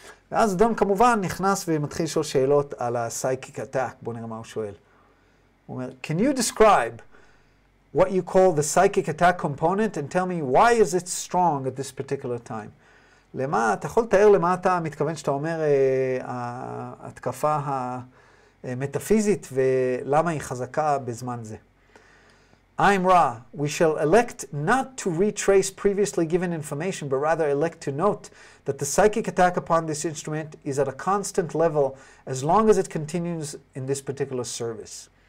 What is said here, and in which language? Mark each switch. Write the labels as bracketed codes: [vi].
[he] ואז דון כמובן נכנס ומתחיל לשאול שאלות על ה-psychic attack. בוא נראה מה הוא שואל. הוא אומר, [en] can you describe what you call the psychic attack component and tell me why is it strong at this particular time? [he] למה, אתה יכול לתאר למה אתה מתכוון שאתה אומר ההתקפה ה... מטאפיזית, ולמה היא חזקה בזמן זה. [en] I'm Ra. We shall elect not to retrace previously given information, but rather elect to note that the psychic attack upon this instrument is at a constant level as long as it continues in this particular service.